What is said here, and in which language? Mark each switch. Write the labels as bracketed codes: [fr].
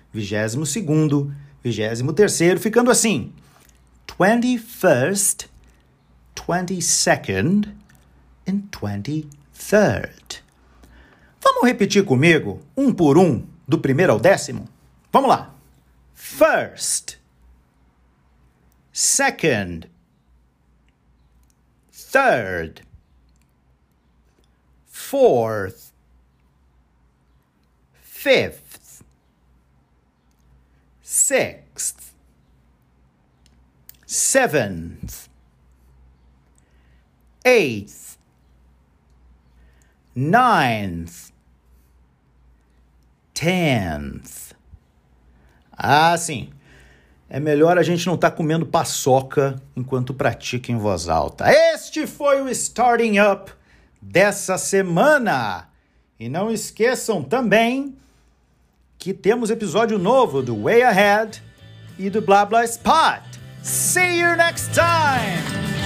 [pt] 22º, 23º, ficando assim: [en] 21st, 22nd and 23rd. [pt] Vamos repetir comigo, um por um, do primeiro ao décimo? Vamos lá. [en] First, second, third, fourth, fifth, sixth, seventh, eighth, ninth, tenth. [pt] Ah, sim. É melhor a gente não estar comendo paçoca enquanto pratica em voz alta. Este foi o Starting Up dessa semana. E não esqueçam também que temos episódio novo do Way Ahead e do Blah Blah Spot. [en] See you next time!